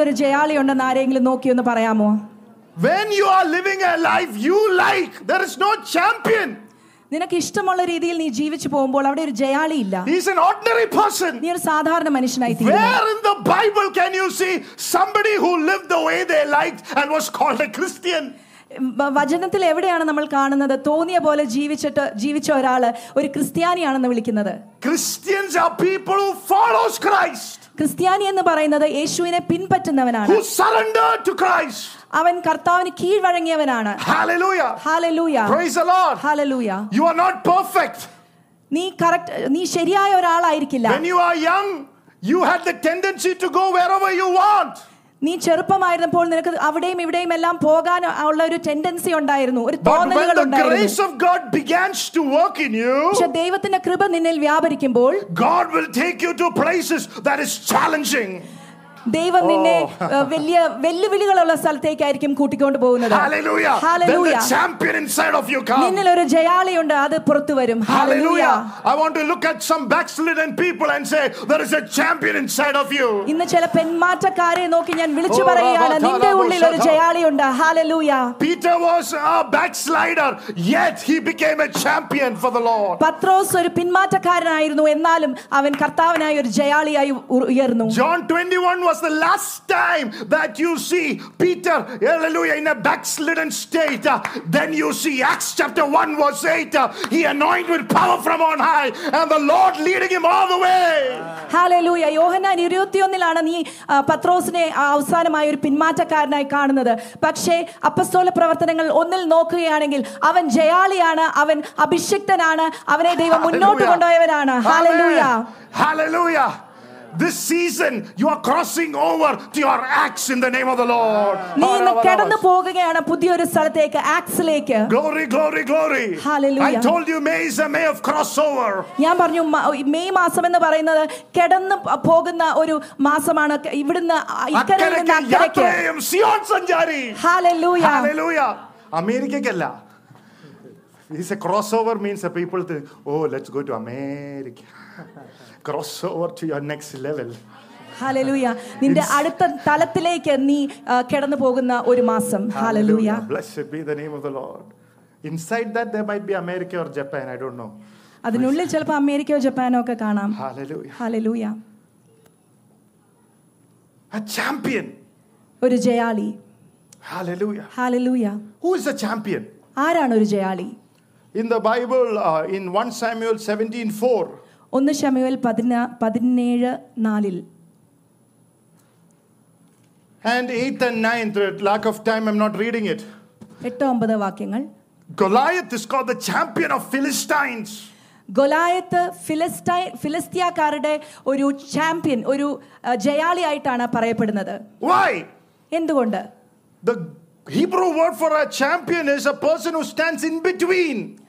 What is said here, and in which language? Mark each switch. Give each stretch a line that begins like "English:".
Malayalam: ഒരു ജയാളി ഉണ്ടെന്ന് ആരെങ്കിലും നോക്കി ഒന്ന് പറയാമോ?
English: When you are living a life you like, there is no champion.
Malayalam: നിനക്ക് ഇഷ്ടമുള്ള രീതിയിൽ നീ ജീവിച്ചു പോകുമ്പോൾ അവിടെ ഒരു ജയാളി ഇല്ല.
English: He's an ordinary person.
Malayalam: നീ ഒരു സാധാരണ മനുഷ്യനായി തീരും.
English: Where in the Bible can you see somebody who lived the way they liked and was called a Christian?
Malayalam: വചനത്തിൽ എവിടെയാണ് നമ്മൾ കാണുന്നത് തോന്നിയ പോലെ ജീവിച്ചിട്ട് ജീവിച്ച ഒരാള് ഒരു ക്രിസ്ത്യാനിയാണെന്ന് വിളിക്കുന്നത്?
English: Christians are people who follow Christ.
Malayalam: ക്രിസ്ത്യാനി എന്ന് പറയുന്നത് യേശുവിനെ പിൻപറ്റുന്നവനാണ്.
English: Who surrendered to Christ.
Malayalam: അവൻ കർത്താവിന് കീഴ്വഴങ്ങിയവനാണ്.
English: Hallelujah. Hallelujah. Praise the Lord. Hallelujah. You are not perfect.
Malayalam: നീ കറക്റ്റ് നീ ശരിയായ ഒരാളായിരിക്കില്ല.
English: When you are young, you had the tendency to go wherever you want.
Malayalam: നീ ചെറുപ്പമായിരുന്നപ്പോൾ നിനക്ക് അവിടെയും ഇവിടെയും എല്ലാം പോകാൻ ഉള്ള ഒരു ടെൻഡൻസി ഉണ്ടായിരുന്നു, ഒരു തോന്നലുകൾ ഉണ്ടായിരുന്നു.
English: But when the grace of God began to work in you,
Malayalam: പക്ഷേ ദൈവത്തിന്റെ കൃപ നിന്നിൽ വ്യാപരിക്കുമ്പോൾ,
English: God will take you to places that is challenging.
Malayalam: ദൈവം നിന്നെ വലിയ വെല്ലുവിളികളുള്ള സ്ഥലത്തേക്ക് ആയിരിക്കും കൂട്ടിക്കൊണ്ട് പോകുന്നത്.
English: Hallelujah. Hallelujah. Then the champion inside of you comes.
Malayalam: നിന്നിൽ ഒരു ജയാളി ഉണ്ട്, അത് പുറത്തു വരും.
English: Hallelujah. I want to look at some backslidden people and say there is a champion inside of you.
Malayalam: ഇന്ന് ചില പെൺമാറ്റക്കാരെ നോക്കി ഞാൻ വിളിച്ചു പറയുകയാണ്, നിന്റെ ഉള്ളിൽ ഒരു ജയാളി ഉണ്ട്.
English: Hallelujah. Peter was a backslider, yet he became a champion for the Lord.
Malayalam: പത്രോസ് ഒരു പിൻമാറ്റക്കാരനായിരുന്നു, എന്നാലും അവൻ കർത്താവിനായി ഒരു ജയാളിയായി ഉയർന്നു.
English: John 21 was the last time that you see Peter, hallelujah, in a backslidden state. Then you see Acts chapter 1 verse 8, he anointed with power from on high and the Lord leading him all the way. Hallelujah.
Malayalam: യോഹന്നാൻ 21 ലാണ് നീ പത്രോസിനെ അവസാനമായി ഒരു പിൻമാറ്റക്കാരനായി കാണുന്നത്. പക്ഷേ അപ്പസ്തോല പ്രവർത്തനങ്ങൾ ഒന്നിൽ നോക്കുകയാണെങ്കിൽ അവൻ ജയാളിയാണ്, അവൻ അഭിഷിക്തനാണ്, അവനെ ദൈവം മുന്നോട്ട് കൊണ്ടുപോയവനാണ്.
English: Hallelujah. Hallelujah. This season you are crossing over to your acts in the name of the Lord.
Malayalam: നീ കടന്നു പോവുകയാണ് പുതിയൊരു സ്ഥലത്തേക്ക്, ആക്സിലേക്ക്.
English: Glory, glory, glory. Hallelujah. I told you May is a May of crossover.
Malayalam: ഞാൻ പറഞ്ഞു മെയ് മാസം എന്ന് പറയുന്നത് കടന്നു പോകുന്ന ഒരു മാസമാണ്. ഇവിടുന്ന് ഇക്കരെ നിന്ന് അക്കരയ്ക്ക് സിയോൺ സഞ്ചാരി.
English: Hallelujah.
Malayalam: Hallelujah. അമേരിക്കയ്ക്കല്ല.
English: It's a crossover means the people think, oh, let's go to America. Cross over to your next level. Hallelujah.
Malayalam: നിന്റെ അടുത്ത തലത്തിലേക്ക് നീ കടന്നു പോകുന്ന ഒരു മാസം.
English: Hallelujah. Blessed be the name of the Lord. Inside that there might be America or Japan, I don't know.
Malayalam: അതിനുള്ളിൽ ചിലപ്പോൾ അമേരിക്കയോ ജപ്പാനോ ഒക്കെ കാണാം.
English: Hallelujah. Hallelujah. A champion.
Malayalam: ഒരു ജയാളി.
English: Hallelujah. Hallelujah. Who is a champion?
Malayalam: ആരാണ് ഒരു ജയാളി?
English: In the Bible, in 1 Samuel 17:4.
Malayalam: ഒന്ന് ശമുവേൽ 17:4.
English: And 8th and 9th, lack of time, I'm not reading it.
Malayalam: 8-9 വാക്യങ്ങൾ.
English: Goliath is called the champion of Philistines.
Malayalam: ഗൊലായത്ത് ഫിലിസ്ത്യാക്കാരുടെ ഒരു champion, ഒരു ജയാളി ആയിട്ടാണ് പറയപ്പെടുന്നത്.
English: Why?
Malayalam: എന്തുകൊണ്ട്?
English: The Hebrew word for a champion is a person who stands in between.